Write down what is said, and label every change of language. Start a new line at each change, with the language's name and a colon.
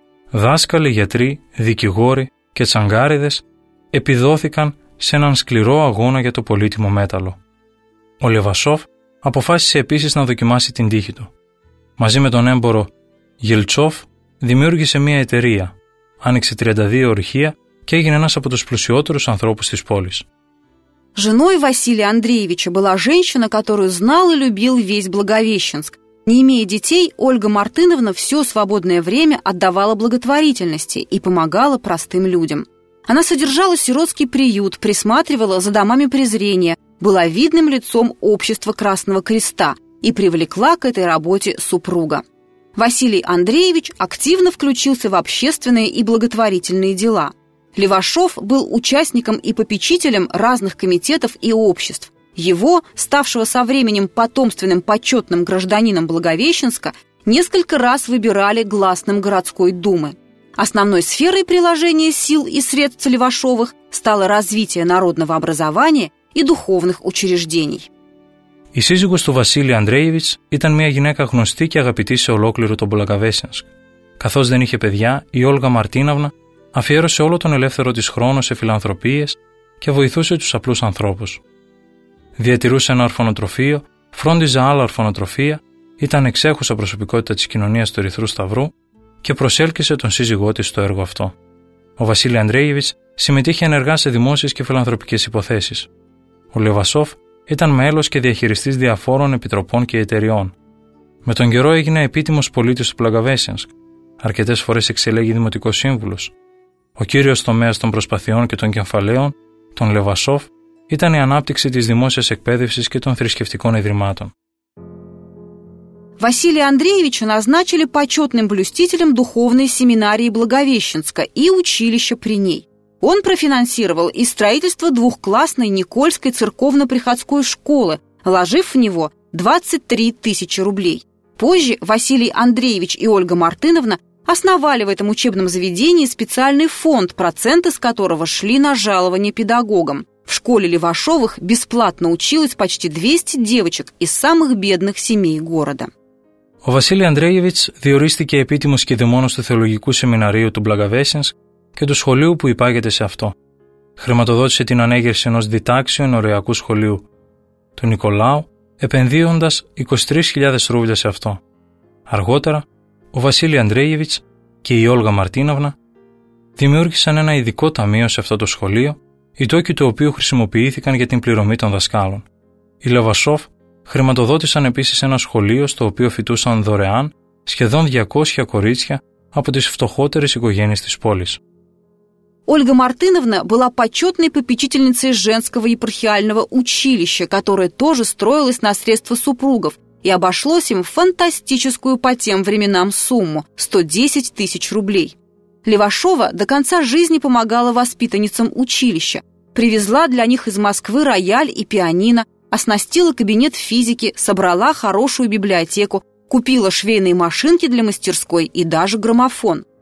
Greek: Δάσκαλοι, γιατροί, δικηγόροι και τσαγκάριδες επιδόθηκαν σε έναν σκληρό αγώνα για το πολύτιμο μέταλλο. Ο Λεβασόφ αποφάσισε επίσης να δοκιμάσει την τύχη του. Μαζί με τον έμπορο Γελτσόφ δημιούργησε μία εταιρεία, άνοιξε 32 ορυχεία και έγινε ένας από τους πλουσιότερους ανθρώπους της πόλης.
Russian: Женой Василия Андреевича была женщина, которую знал и любил весь Благовещенск. Не имея детей, Ольга Мартыновна все свободное время отдавала благотворительности и помогала простым людям. Она содержала сиротский приют, присматривала за домами презрения, была видным лицом общества Красного Креста и привлекла к этой работе супруга. Василий Андреевич активно включился в общественные и благотворительные дела. Левашов был участником и попечителем разных комитетов и обществ. Его, ставшего со временем потомственным почетным гражданином Благовещенска, несколько раз выбирали гласным городской думы. Основной сферой приложения сил и средств Левашовых стало развитие народного образования и духовных учреждений.
Greek: Η σύζυγος του Βασίλη Ανδρέεβιτς ήταν μια γυναίκα γνωστή και αγαπητή σε ολόκληρο τον Благовещенск. Καθώς δεν είχε παιδιά, η Όλγα Μαρτίναυνα αφιέρωσε όλο τον ελεύθερο της χρόνο σε φιλανθρωπίες και βοηθούσε τους απλούς ανθρώπους. Διατηρούσε ένα ορφανοτροφείο, φρόντιζε άλλα ορφανοτροφεία, ήταν εξέχουσα προσωπικότητα της κοινωνίας του Ερυθρού Σταυρού και προσέλκυσε τον σύζυγό της στο έργο αυτό. Ο Βασίλη Ανδρέεβιτς συμμετείχε ενεργά σε δημόσιες και φιλανθρωπικές υποθέσεις. Ο Λεβασόφ ήταν μέλος και διαχειριστής διαφόρων επιτροπών και εταιριών. Με τον καιρό έγινε επίτιμος πολίτης του Благовещенск. Αρκετές φορές εξελέγει δημοτικός σύμβουλος. Ο κύριος τομέας των προσπαθειών και των κεφαλαίων, τον Λεβασόφ, ήταν η ανάπτυξη της δημόσιας εκπαίδευσης και των θρησκευτικών ιδρυμάτων.
Russian: Василия Андреевича назначили почетным блюстителем духовной семинарии Благовещенска и училища при ней. Он профинансировал и строительство двухклассной Никольской церковно-приходской школы, вложив в него 23 тысячи рублей. Позже Василий Андреевич и Ольга Мартыновна основали в этом учебном заведении специальный фонд, проценты с которого шли на жалование педагогам. В школе Левашовых бесплатно училось почти 200 девочек из самых бедных семей города.
Greek: Ο Βασίλη Ανδρέγεβιτς διορίστηκε επίτιμος κηδεμόνος του Θεολογικού Σεμιναρίου του Μπλαγκαβέσενς και του σχολείου που υπάγεται σε αυτό. Χρηματοδότησε την ανέγερση ενός διτάξιων οριακού σχολείου του Νικολάου, επενδύοντας 23.000 ρούβλια σε αυτό. Αργότερα, ο Βασίλη Ανδρέγεβιτς και η Όλγα Μαρτίνοβνα δημιούργησαν ένα ειδικό ταμείο σε αυτό το σχολείο, οι τόκοι του οποίου χρησιμοποιήθηκαν για την πληρωμή των δασκάλων. Η Λεβασόφ χρηματοδότησαν επίσης ένα σχολείο στο οποίο φοιτούσαν δωρεάν σχεδόν 200 κορίτσια από τις φτωχότερες οικογένειες της πόλης.
Russian: Ольга Мартыновна была почетной попечительницей женского епархиального училища, которое тоже строилось на средства супругов и обошлось им фантастическую по тем временам сумму – 110 тысяч рублей. Левашова до конца жизни помогала воспитанницам училища, привезла для них из Москвы рояль и пианино, оснастила кабинет физики, собрала хорошую библиотеку, купила швейные машинки для мастерской и даже граммофон.